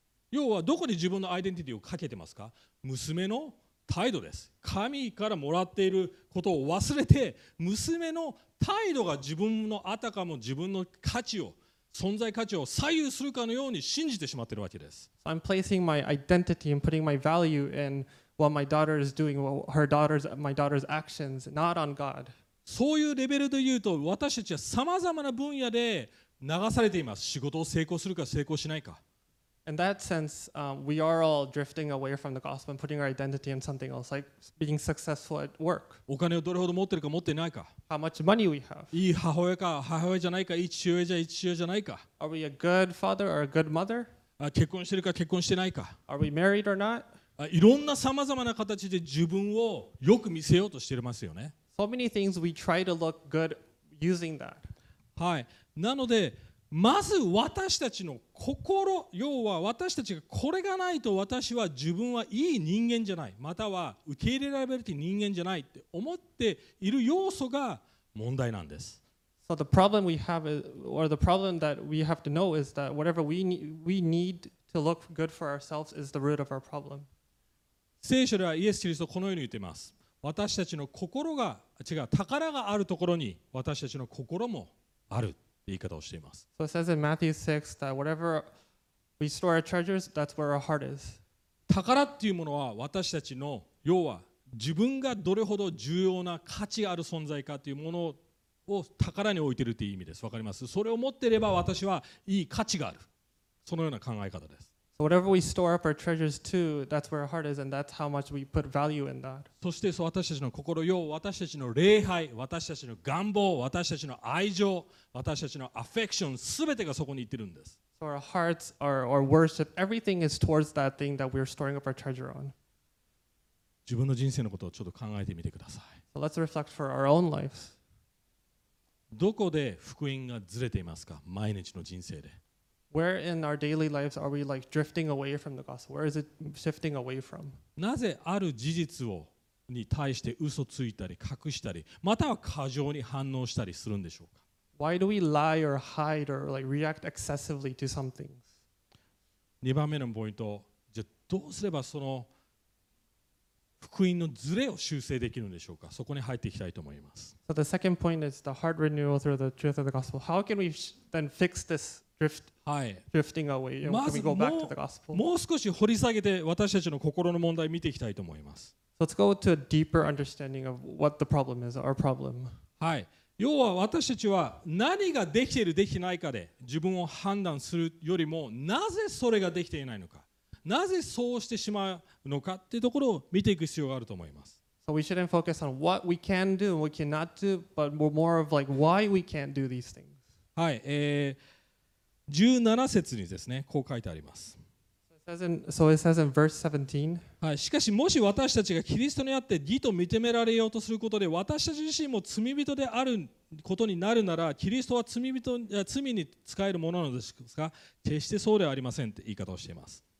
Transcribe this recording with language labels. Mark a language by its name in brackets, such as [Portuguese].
[Japanese] 要はどこに自分のアイデンティティをかけてますか？娘の態度です。神からもらっていることを忘れて、娘の態度が自分のあたかも自分の価値を、存在価値を左右するかのように信じてしまっているわけです。 [English] So、I'm placing my identity and putting my value in what my daughter is doing, what my daughter's actions, not on God. [Japanese] そういうレベルで言うと、私たちはさまざまな分野で流されています。仕事を成功するか成功しないか。 [English] In that sense, we are all drifting away from the gospel and putting our identity in something else, like being successful at work. [Japanese] お金をどれほど持ってるか持ってないか。 [English] How much money we have. [Japanese] いい母親か母親じゃないか、いい父親じゃ父親じゃないか。 [English] Are we a good father or a good mother? [Japanese] 結婚してるか結婚してないか。 [English] Are we married or not? [Japanese] いろんなさまざまな形で自分をよく見せようとしていますよね。 [English] So many things we try to look good using that. はい。 [Japanese] なので、まず私たちの心、要は私たちがこれがないと私は自分はいい人間じゃない、または受け入れられる人間じゃないって思っている要素が問題なんです。 [English] So the problem we have is, or the problem that we have to know is that whatever we need to look good for ourselves is the root of our problem. [Japanese] 聖書ではイエス・キリストこのように言っています。私たちの心が違う宝があるところに私たちの心もあるって言い方をしています。 [English] So it says in Matthew 6 that whatever we store our treasures, that's where our heart is. [Japanese] 宝っていうものは私たちの要は自分がどれほど重要な価値ある存在かというものを宝に置いているという意味です。わかります。それを持っていれば私はいい価値がある。そのような考え方です。 [English] Whatever we store up our treasures to, that's where our heart is, and that's how much we put value in that. [Japanese] そして私たちの心よ、私たちの礼拝、私たちの願望、私たちの愛情、私たちのアフェクション、すべてがそこに行ってるんです。 [English] So our hearts, our worship, everything is towards that thing that we're storing up our treasure on. [Japanese] 自分の人生のことをちょっと考えてみてください。 [English] So let's reflect for our own lives. [Japanese] どこで福音がずれていますか、毎日の人生で。 [English] Where in our daily lives are we like drifting away from the gospel? Where is it shifting away from? [Japanese] なぜある事実をに対して嘘ついたり隠したり、または過剰に反応したりするんでしょうか？ [English] Why do we lie or hide or like react excessively to some things? [Japanese] 2番目のポイント、じゃあどうすればその福音のズレを修正できるんでしょうか？そこに入っていきたいと思います。 [English] So the second point is the heart renewal through the truth of the gospel. How can we then fix this? Drifting away. [Japanese] まずもう少し掘り下げて私たちの心の問題を見ていきたいと思います。 [English] So、let's go to a deeper understanding of what the problem is, our problem. はい。 [Japanese] 要は私たちは何ができているできないかで自分を判断するよりもなぜそれができていないのか、なぜそうしてしまうのかっていうところを見ていく必要があると思います。 [English] So we shouldn't focus on what we can do and what we cannot do, but more of like why we can't do these things. はい。 [Japanese] 17節にですね、こう書いてあります。しかしもし私たちがキリストにあって義と認められようとすることで私たち自身も罪人であることになるならキリストは罪に使えるものなのですが決してそうではありませんって言い方をしています。